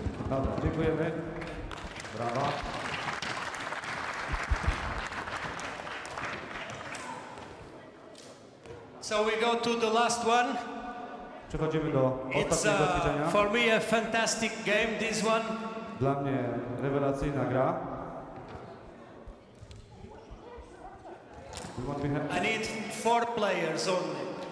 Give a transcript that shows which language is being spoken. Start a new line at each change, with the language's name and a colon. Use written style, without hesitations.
Polish: Dobra, dziękujemy. Brawa.
English: So we go to the last one.
Polish: Przechodzimy do ostatniego ćwiczenia.
English: For me a fantastic game this one.
Polish: Dla mnie rewelacyjna gra.
English: I need four players only.